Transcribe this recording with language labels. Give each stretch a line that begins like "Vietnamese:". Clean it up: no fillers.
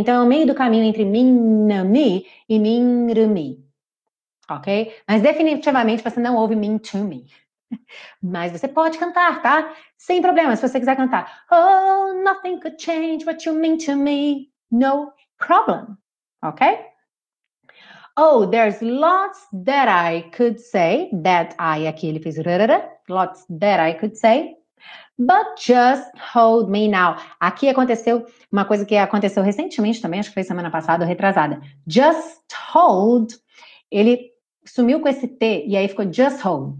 Portuguese: Então é o meio do caminho entre
English: mean to me
Portuguese: e mean to me. Ok? Mas definitivamente você não ouve
English: mean to me.
Portuguese: Mas você pode cantar, tá? Sem problema, se você quiser cantar.
English: Oh, nothing could change what you mean to me. No problem. Ok? Oh, there's lots that I could say. That I,
Portuguese: aqui ele fez rarara.
English: Lots that I could say. But just hold me now.
Portuguese: Aqui aconteceu uma coisa que aconteceu recentemente também, acho que foi semana passada ou retrasada. Just hold. Ele sumiu com esse T e aí ficou
English: just hold.